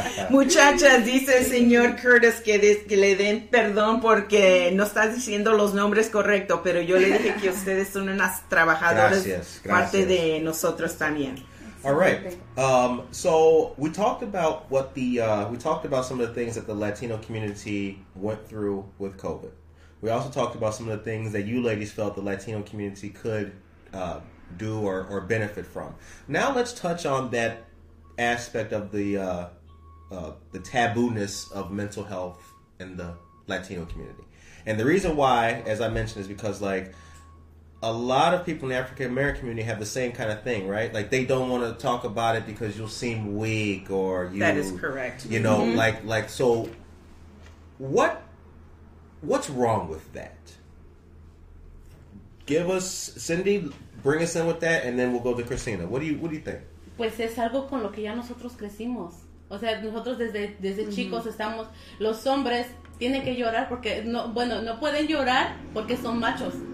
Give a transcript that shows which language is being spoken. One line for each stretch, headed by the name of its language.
Spanish: Muchachas, dice el señor Curtis que le den perdón porque no está diciendo los nombres correctos, pero yo le dije que ustedes son unas trabajadoras gracias. Parte de nosotros también.
English: All right. So we talked about some of the things that the Latino community went through with COVID. We also talked about some of the things that you ladies felt the Latino community could do or benefit from. Now let's touch on that aspect of the the tabooness of mental health in the Latino community. And the reason why, as I mentioned, is because, like, a lot of people in the African-American community have the same kind of thing, right? Like, they don't want to talk about it because you'll seem weak or you... That is correct. You know, mm-hmm. like so what's wrong with that? Give us... Cindy, bring us in with that, and then we'll go to Christina. What do you think?
Spanish: Pues es algo con lo que ya nosotros crecimos. O sea, nosotros desde mm-hmm. chicos estamos... Los hombres... Tienen que llorar porque, no, bueno, no pueden llorar porque son machos.